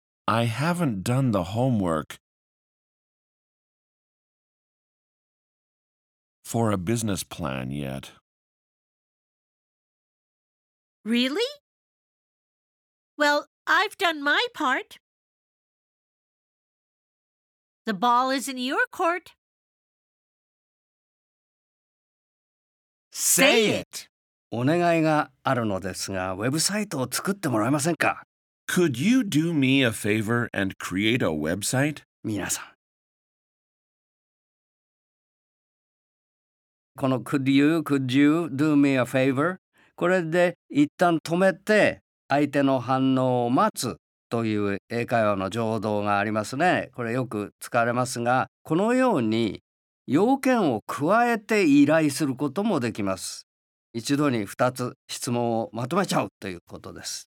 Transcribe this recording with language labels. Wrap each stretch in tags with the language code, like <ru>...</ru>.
<en>I haven't done the homework for a business plan yet. Really? Well, I've done my part. The ball is in your court. Say it!</en> <ja>お願いがあるのですが、ウェブサイトを作ってもらえませんか?</ja> <en>Could you do me a favor and create a website?</en> <ja>皆さん。</ja> <en>この could you do me a favor?</en> <ja>これで一旦止めて相手の反応を待つという英会話の情動がありますね。これよく使われますが、このように要件を加えて依頼することもできます。一度に二つ質問をまとめちゃうということです。</ja>